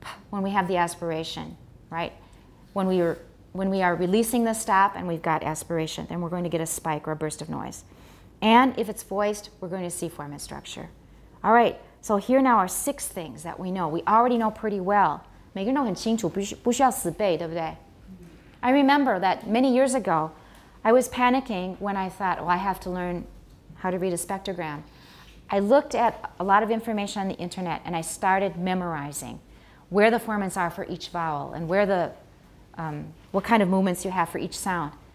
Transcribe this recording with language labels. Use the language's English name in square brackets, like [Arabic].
[English] When we have the aspiration, right? When we are releasing the stop and we've got aspiration, then we're going to get a spike or a burst of noise. And if it's voiced, we're going to see formant structure. All right, so here now are six things that we know. We already know pretty well. [Chinese] 每个人都很清楚,不需要死背,对不对? [English] I remember that many years ago, I was panicking when I thought, well, I have to learn how to read a spectrogram. I looked at a lot of information on the internet and I started memorizing where the formants are for each vowel and where the what kind of movements you have for each sound.